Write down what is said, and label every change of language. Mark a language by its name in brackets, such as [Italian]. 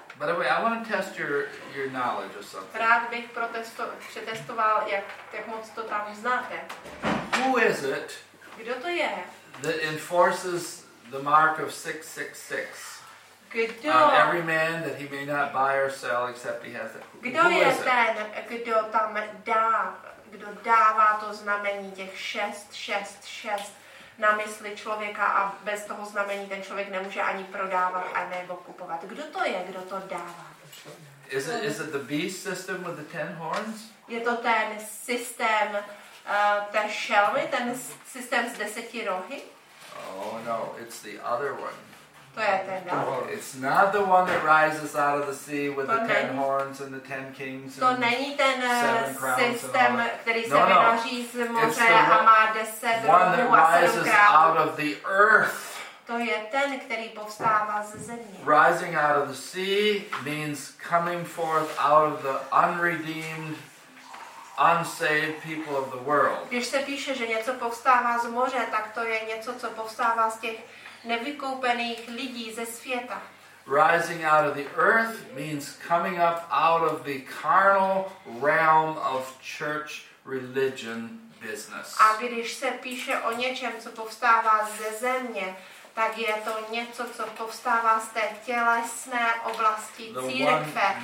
[English] By the way, I want to test your knowledge of something. [Czech] Rád bych přetestoval, jak moc to tam znáte. [English] Who is it? [Czech] Kdo to je? [English] That enforces the mark of 666. [Czech] Kdo? [English] Every man that he may not buy or sell except he has it. [Czech] Kdo je ten, kdo tam kdo dává to znamení těch 666 na mysli člověka a bez toho znamení ten člověk nemůže ani prodávat a nebo kupovat. Kdo to je, kdo to dává? [English] Is it the beast system with the 10 horns? [Czech] Je to ten systém ten šelmy, ten systém s 10 rohy? [English] Oh no, it's the other one. [Czech] To je ten další. [English] It's not the one that rises out of the sea with the ten horns and the ten kings and seven crowns. [Czech] To není ten systém, který se vynoří z moře a má 10 rohů a 7 králů. [English] One that rises out of the earth. [Czech] To je ten, který povstává ze země. [English] Rising out of the sea means coming forth out of the unredeemed, unsaved people of the world. [Czech] Když se píše, že něco povstává z moře, tak to je něco, co povstává z těch nevykoupených lidí ze světa. [English] Rising out of the earth means coming up out of the carnal realm of church religion business. [Czech] A když se píše o něčem, co povstává ze země, tak je to něco, co povstává z té tělesné oblasti církve.